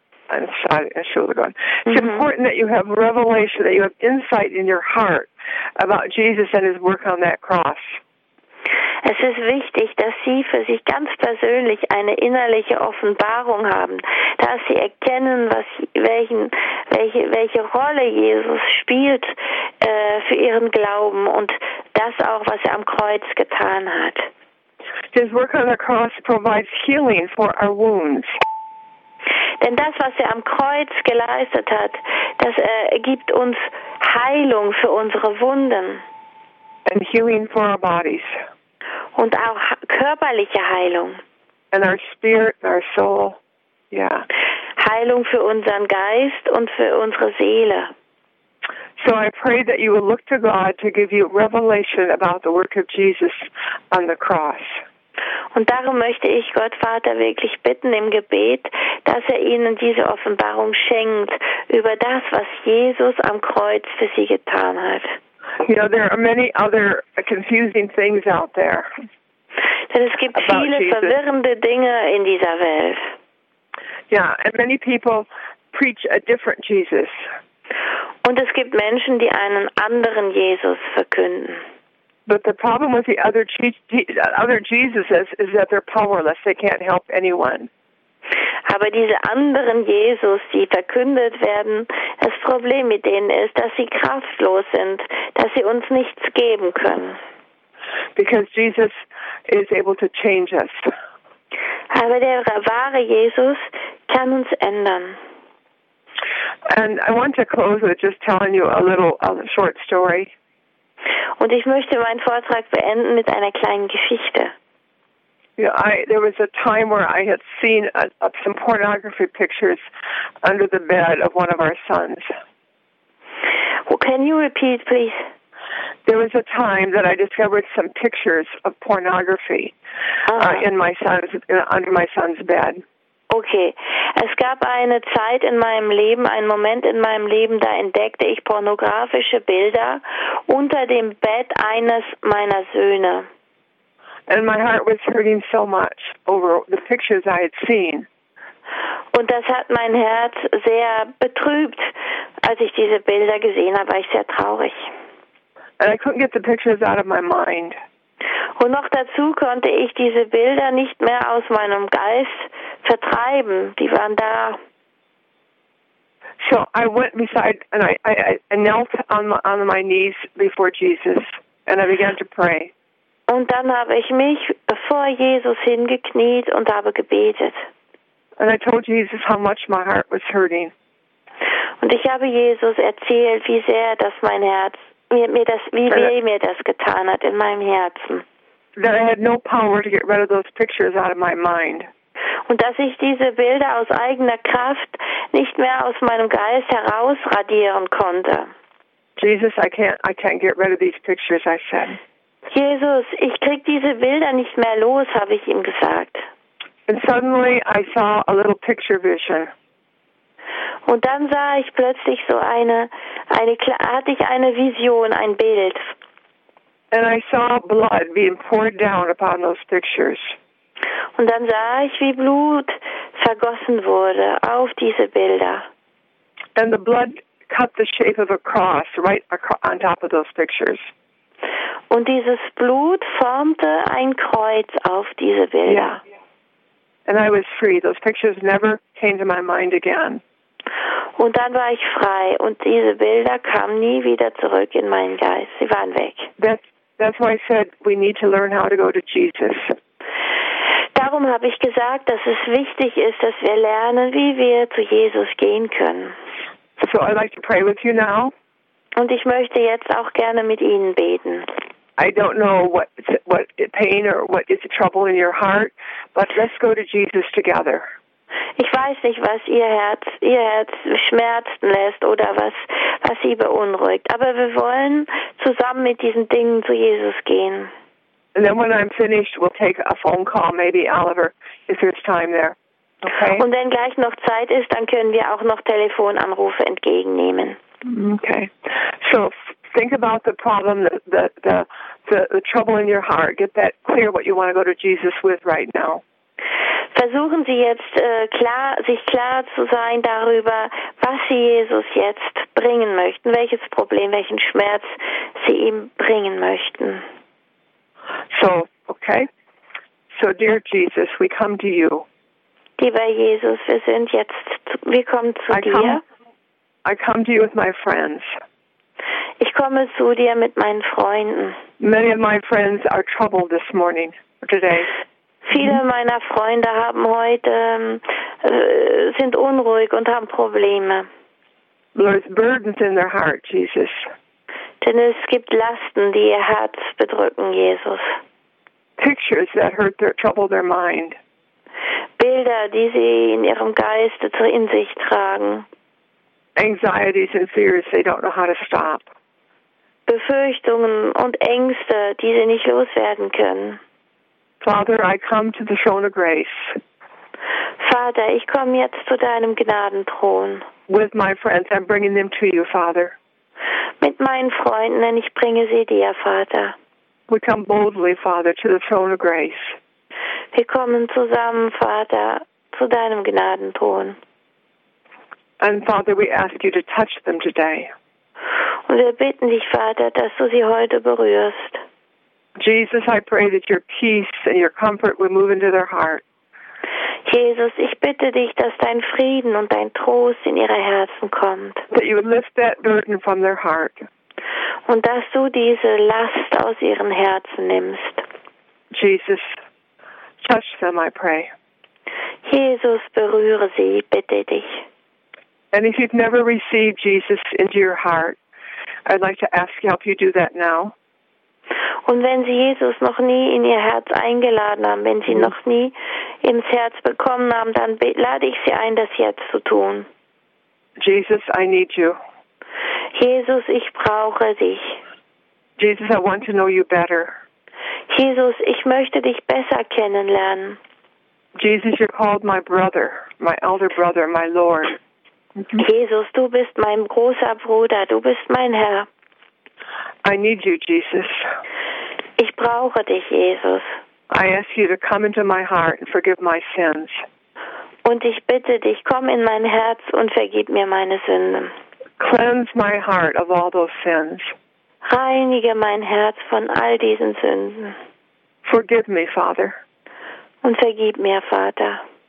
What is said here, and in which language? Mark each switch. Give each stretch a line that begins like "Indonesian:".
English: It's important that you have revelation, that you have insight in your heart about Jesus and his work on that cross.
German: Es ist wichtig, dass Sie für sich ganz persönlich eine innerliche Offenbarung haben, dass Sie erkennen, welche Rolle Jesus spielt für Ihren Glauben und das auch, was er am Kreuz getan hat.
English: His work on the cross provides healing for our wounds.
German: Denn das, was er am Kreuz geleistet hat, das gibt uns Heilung für unsere Wunden.
English: And healing for our bodies.
German: Und auch körperliche Heilung.
English: And our spirit, our soul, yeah.
German: Heilung für unseren Geist und für unsere Seele.
English: So I pray that you will look to God to give you revelation about the work of Jesus on the cross.
German: Und darum möchte ich Gott Vater wirklich bitten im Gebet, dass er ihnen diese Offenbarung schenkt über das, was Jesus am Kreuz für sie getan hat.
English: You know, there are many other confusing things out there.
German: Denn es gibt viele verwirrende Dinge in dieser Welt.
English: Yeah, and many people preach a different Jesus.
German: Und es gibt Menschen, die einen anderen Jesus verkünden.
English: But the problem with the other Jesuses is that they're powerless. They can't help anyone.
German: Aber diese anderen Jesus, die verkündet werden, das Problem mit denen ist, dass sie kraftlos sind, dass sie uns nichts geben können.
English: Because Jesus is able to change us.
German: Aber der wahre Jesus kann uns ändern.
English: And I want to close with just telling you a short story.
German: Und ich möchte meinen Vortrag beenden mit einer kleinen Geschichte.
English: Yeah, there was a time where I had seen some pornography pictures under the bed of one of our sons. Well, can you repeat, please? There was a time that I discovered some pictures of pornography under my son's bed.
German: Okay, es gab eine Zeit in meinem Leben, einen Moment in meinem Leben, da entdeckte ich pornografische Bilder unter dem Bett eines meiner Söhne.
English: And my heart was hurting so much over the pictures I had seen.
German: Und das hat mein Herz sehr betrübt, als ich diese Bilder gesehen habe, war ich sehr traurig.
English: And I couldn't get the pictures out of my mind.
German: Und noch dazu konnte ich diese Bilder nicht mehr aus meinem Geist vertreiben. Die waren da.
English: So I went beside and I knelt on my knees before Jesus and I began to pray.
German: Und dann habe ich mich vor Jesus hingekniet und habe gebetet.
English: And I told Jesus how much my heart was hurting.
German: Und ich habe Jesus erzählt, wie sehr das mein Herz mir das getan hat in meinem Herzen.
English: That I had no power to get rid of those pictures out of my mind.
German: Und dass ich diese Bilder aus eigener Kraft nicht mehr aus meinem Geist herausradieren konnte.
English: Jesus, I can't get rid of these pictures, I said.
German: Jesus, ich krieg diese Bilder nicht mehr los, habe ich ihm gesagt.
English: And suddenly I saw a little picture vision.
German: Und dann sah ich plötzlich so eine Vision, ein Bild.
English: And I saw blood being poured down upon those pictures.
German: Und dann sah ich, wie Blut vergossen wurde auf diese Bilder.
English: And the blood cut the shape of a cross right on top of those pictures.
German: Und dieses Blut formte ein Kreuz auf diese Bilder.
English: Yeah. And I was free. Those pictures never came to my mind again.
German: Und dann war ich frei und diese Bilder kamen nie wieder zurück in meinen Geist. Sie waren weg.
English: That's why I said we need to learn how to go to Jesus.
German: Darum habe ich gesagt, dass es wichtig ist, dass wir lernen, wie wir zu Jesus gehen können.
English: So I'd like to pray with you now.
German: Und ich möchte jetzt auch gerne mit Ihnen beten.
English: I don't know what pain or what is the trouble in your heart, but let's go to Jesus together.
German: Ich weiß nicht, was ihr Herz schmerzen lässt oder was sie beunruhigt. Aber wir wollen zusammen mit diesen Dingen zu Jesus gehen.
English: And then when I'm finished, we'll take a phone call, maybe Oliver, if there's time there. Okay?
German: Und wenn gleich noch Zeit ist, dann können wir auch noch Telefonanrufe entgegennehmen.
English: Okay. So think about the problem, the trouble in your heart. Get that clear what you want to go to Jesus with right now.
German: Versuchen Sie jetzt klar zu sein darüber, was Sie Jesus jetzt bringen möchten, welches Problem, welchen Schmerz Sie ihm bringen möchten.
English: So, okay. So, dear Jesus, we come to you.
German: Lieber Jesus, wir kommen zu dir.
English: I come to you with my friends.
German: Ich komme zu dir mit meinen Freunden.
English: Many of my friends are troubled this morning, today.
German: Viele meiner Freunde haben heute sind unruhig und haben Probleme.
English: There's burdens in their heart, Jesus.
German: Denn es gibt Lasten, die ihr Herz bedrücken, Jesus.
English: Pictures that hurt their trouble their mind.
German: Bilder, die sie in ihrem Geiste in sich tragen.
English: Anxieties and fears they don't know how to stop.
German: Befürchtungen und Ängste, die sie nicht loswerden können.
English: Father, I come to the throne of grace.
German: Vater, ich komme jetzt zu deinem Gnadenthron.
English: With my friends, I'm bringing them to you, Father.
German: Mit meinen Freunden, denn ich bringe sie dir, Vater.
English: We come boldly, Father, to the throne of grace.
German: Wir kommen zusammen, Vater, zu deinem Gnadenthron.
English: And Father, we ask you to touch them today.
German: Und wir bitten dich, Vater, dass du sie heute berührst.
English: Jesus, I pray that your peace and your comfort will move into their heart.
German: Jesus, ich bitte dich, dass dein Frieden und dein Trost in ihre Herzen kommt.
English: That you lift that burden from their heart.
German: Und dass du diese Last aus ihren Herzen nimmst.
English: Jesus, touch them, I pray.
German: Jesus, berühre sie, bitte dich.
English: And if you've never received Jesus into your heart, I'd like to ask you, help you do that now.
German: Und wenn Sie Jesus noch nie in Ihr Herz eingeladen haben, wenn Sie noch nie ins Herz bekommen haben, dann lade ich Sie ein, das jetzt zu tun.
English: Jesus, I need you.
German: Jesus, ich brauche dich.
English: Jesus, I want to know you better.
German: Jesus, ich möchte dich besser kennenlernen.
English: Jesus, you're called my brother, my elder brother, my Lord.
German: Jesus, du bist mein großer Bruder, du bist mein Herr.
English: I need you, Jesus.
German: Ich brauche dich, Jesus.
English: I ask you to come into my heart and forgive my sins.
German: Und ich bitte dich, komm in mein Herz und vergib mir meine Sünden.
English: Cleanse my heart of all those sins.
German: Reinige mein Herz von all diesen Sünden.
English: Forgive me, Father.
German: Und vergib mir, Vater.